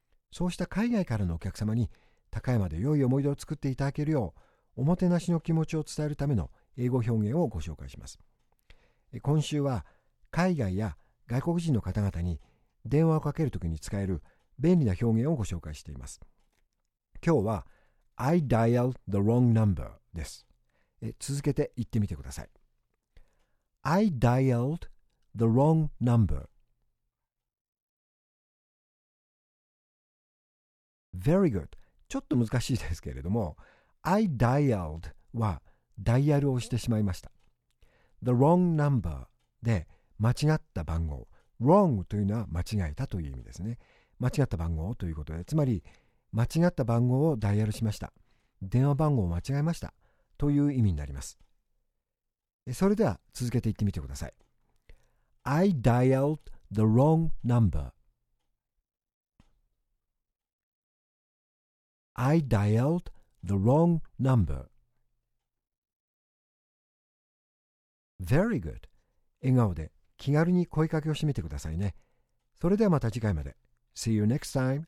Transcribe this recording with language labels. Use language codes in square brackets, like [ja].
[ja] そうした海外からのお客様に高山で良い思い出を作っていただけるよう、おもてなしの気持ちを伝えるための英語表現をご紹介します。今週は海外や外国人の方々に電話をかけるときに使える便利な表現をご紹介しています。今日は [en] I dialed the wrong number [ja] です。続けて言ってみてください。 [en] I dialed the wrong number. Very good. [ja] ちょっと難しいですけれども、 [en] I dialed [ja] はダイヤルをしてしまいました。 [en] The wrong number [ja] で間違った番号。 Wrong というのは間違えたという意味ですね。間違った番号ということで、つまり間違った番号をダイヤルしました。電話番号を間違えましたという意味になります。それでは続けて言ってみてください。 [en] I dialed the wrong number. I dialed the wrong number. Very good. [ja] 笑顔で気軽に声かけをしてみてくださいね。それではまた次回まで。 [en] See you next time.